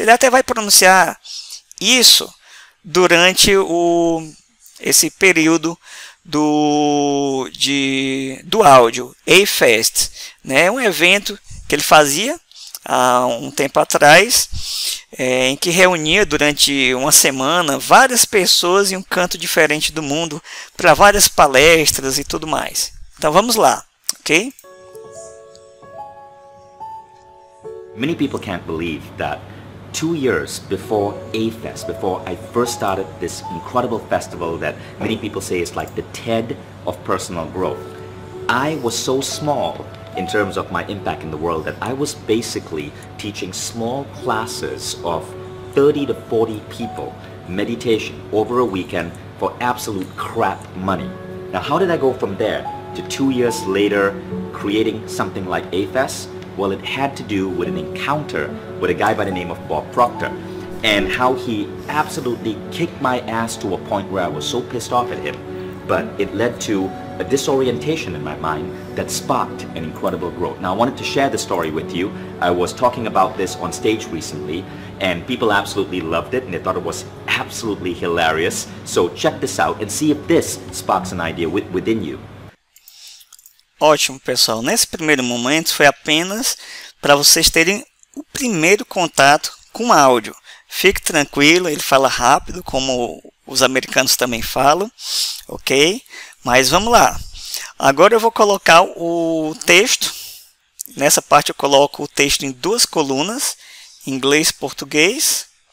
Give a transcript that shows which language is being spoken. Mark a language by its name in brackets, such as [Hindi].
[Portuguese] Ele até vai pronunciar isso durante esse período do áudio A-Fest, né? Um evento que ele fazia há um tempo atrás, em que reunia durante uma semana várias pessoas em um canto diferente do mundo para várias palestras e tudo mais. Então vamos lá, ok? [English] Many people can't believe that 2 years before A-Fest, before I first started this incredible festival that many people say is like the TED of personal growth, I was so small in terms of my impact in the world that I was basically teaching small classes of 30 to 40 people meditation over a weekend for absolute crap money. Now, how did I go from there to 2 years later creating something like A-Fest? Well, it had to do with an encounter with a guy by the name of Bob Proctor and how he absolutely kicked my ass to a point where I was so pissed off at him. But it led to a disorientation in my mind that sparked an incredible growth. Now, I wanted to share the story with you. I was talking about this on stage recently and people absolutely loved it and they thought it was absolutely hilarious. So check this out and see if this sparks an idea within you. [Portuguese] Ótimo, pessoal. Nesse primeiro momento foi apenas para vocês terem o primeiro contato com o áudio. Fique tranquilo, ele fala rápido, como os americanos também falam, ok? Mas vamos lá. Agora eu vou colocar o texto. Nessa parte eu coloco o texto em duas colunas, inglês e português.